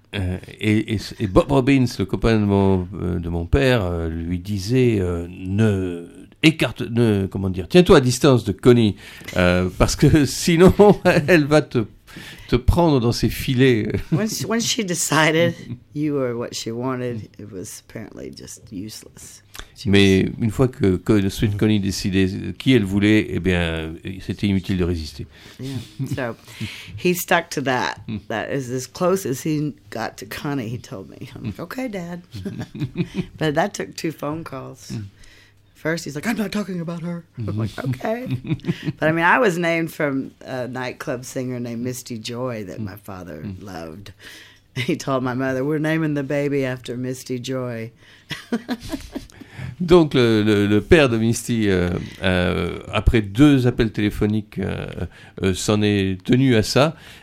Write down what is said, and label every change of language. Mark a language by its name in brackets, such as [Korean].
[French] Et Bob Robbins, le copain de mon père, lui disait, tiens-toi à distance de Connie, parce que sinon, elle va te prendre dans ses filets. [English] Once she decided you were what she wanted, it was apparently just useless. [French] Une fois que Sweet Connie décidait qui elle voulait, eh bien, c'était inutile de résister. [English] Yeah. So he stuck to that. That is as close as he got to Connie, he told me. I'm like, okay, Dad. But that took two phone calls. First, he's like, I'm not talking about her. I'm like, okay. But I mean, I was named from a nightclub singer named Misty Joy that my father loved. He told my mother, we're naming the baby after Misty Joy. [French] Donc, le père de Misty, après deux appels téléphoniques, s'en est tenu à ça.